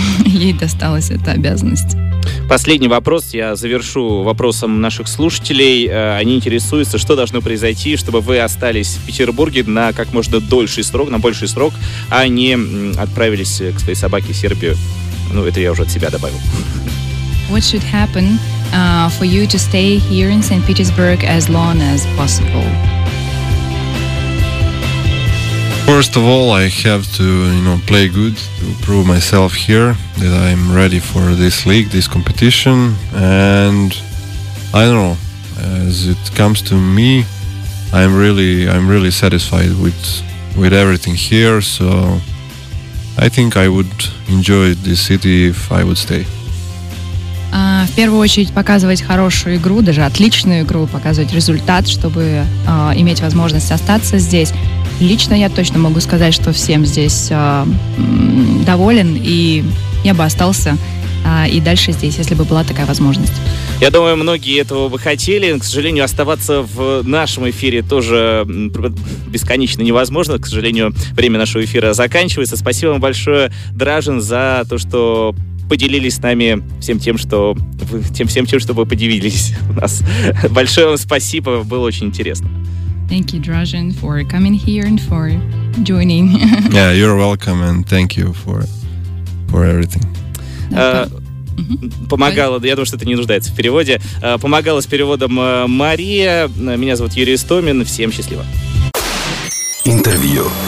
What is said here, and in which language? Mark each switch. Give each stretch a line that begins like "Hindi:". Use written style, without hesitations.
Russian: Ей досталась эта обязанность. Последний вопрос, я завершу вопросом наших слушателей. Они интересуются, что должно произойти, чтобы вы остались в Петербурге на как можно дольший срок, на больший срок, а не отправились к своей собаке в Сербию. Ну, это я уже от себя добавил.
English: What should happen for you to stay here in St. Petersburg as long as possible? First of all, I have to, you know, play good to prove myself here that I'm ready for this league, this competition. And I don't know, as it comes to me, I'm really satisfied with everything here. So I think I would enjoy this city if I would stay.
Russian: В первую очередь показывать хорошую игру, даже отличную игру, показывать результат, чтобы иметь возможность остаться здесь. Лично я точно могу сказать, что всем здесь доволен, и я бы остался и дальше здесь, если бы была такая возможность. Я думаю, многие этого бы хотели. К сожалению, оставаться в нашем эфире тоже бесконечно невозможно. К сожалению, время нашего эфира заканчивается. Спасибо вам большое, Дражин, за то, что поделились с нами всем тем, что вы поделились у нас. Большое вам спасибо, было очень интересно.
English: Thank you, Drazhen, for coming here and for joining. Yeah, you're welcome, and thank you for everything.
Russian: Помогала, я думаю, что это не нуждается в переводе. Помогала с переводом Мария. Меня зовут Юрий Истомин. Всем счастливо. Интервью.